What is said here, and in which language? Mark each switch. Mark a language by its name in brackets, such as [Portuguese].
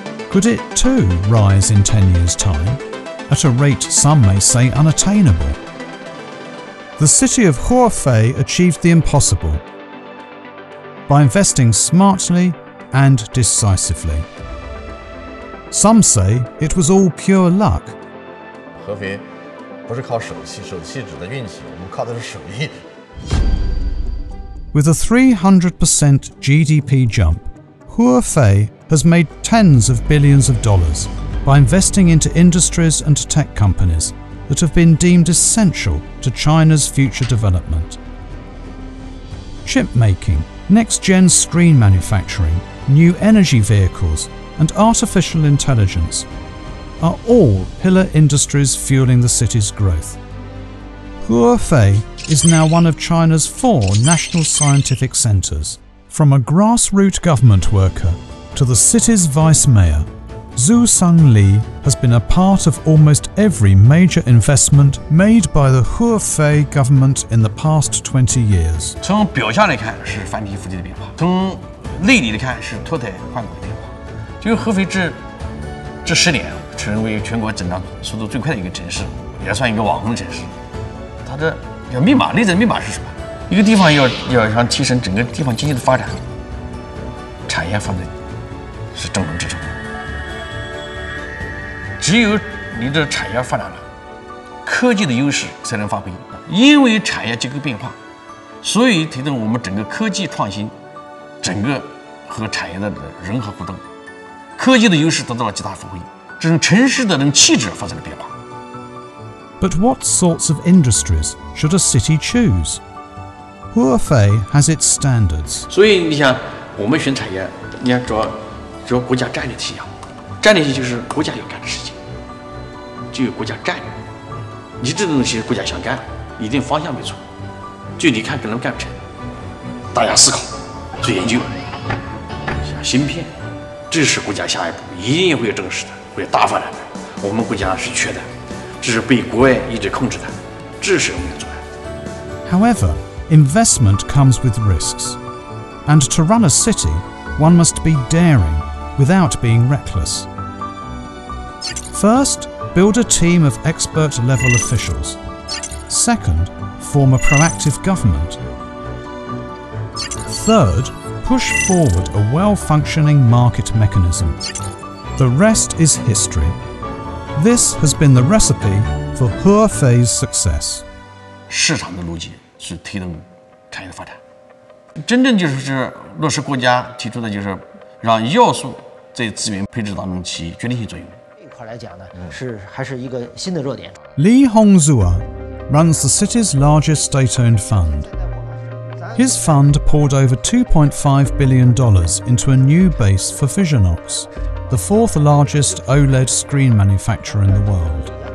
[English] Could it too rise in 10 years' time, at a rate some may say unattainable? The city of Huafei achieved the impossible by investing smartly and decisively. Some say it was all pure luck. [Chinese] 合肥不是靠手气，手气指的运气，我们靠的是手艺。 [English] With a 300% GDP jump, Huafei has made tens of billions of dollars by investing into industries and tech companies that have been deemed essential to China's future development. Chip making, next-gen screen manufacturing, new energy vehicles,and artificial intelligence are all pillar industries fueling the city's growth. Huafei is now one of China's four national scientific centers. From a grassroots government worker to the city's vice mayor, Zhu Sengli has been a part of almost every major investment made by the Huafei government in the past 20 years. [Chinese] 从表象来看是翻天覆地的变化，从内里来看是脱胎换骨的变化。就合肥这十年成为全国增长速度最快的一个城市，也算一个网红城市。它的要密码，内在密码是什么？一个地方要想提升整个地方经济的发展，产业放在是重中之重。只有你的产业发展了，科技的优势才能发挥。因为产业结构变化，所以推动我们整个科技创新，整个和产业的融合互动。科技的优势得到了极大发挥，这种城市的那种气质发生了变化。 [English] But what sorts of industries should a city choose? Huafei has its standards. [Chinese] 所以你想，我们选产业，你看主要国家战略体系，战略性就是国家要干的事情，就有国家战略。你这种东西国家想干，一定方向没错，就你看能干不成。大家思考，做研究。像芯片，这是国家下一步一定会证实的，会大发展的。我们国家是缺的，这是被国外一直控制的，这是我们的阻碍。 [English] However, investment comes with risks, and to run a city, one must be daring without being reckless. First, build a team of expert-level officials. Second, form a proactive government. Third, push forward a well-functioning market mechanism. The rest is history. This has been the recipe for Hefei's success. [Chinese] 市场的逻辑是推动产业的发展，真正就是落实国家提出的，就是让要素在资源配置当中起决定性作用。这块来讲呢，还是一个新的热点。 [English] Li Hongzua runs the city's largest state-owned fund. His fund poured over $2.5 billion into a new base for Visionox, the fourth largest OLED screen manufacturer in the world.